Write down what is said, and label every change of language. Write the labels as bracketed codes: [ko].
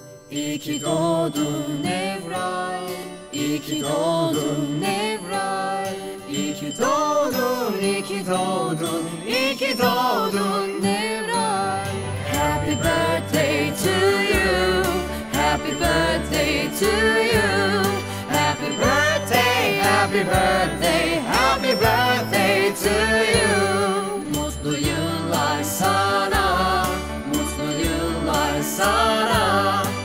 [tr] İyi ki doğdun Evray, İyi ki doğdun Evray, İyi ki doğdun, İyi ki doğdun, İyi ki doğdun Evray. [en] Happy birthday to you, happy birthday to you, happy birthday, happy birthday, happy birthday to you. [tr] Mutlu yıllar sana, mutlu yıllar sana.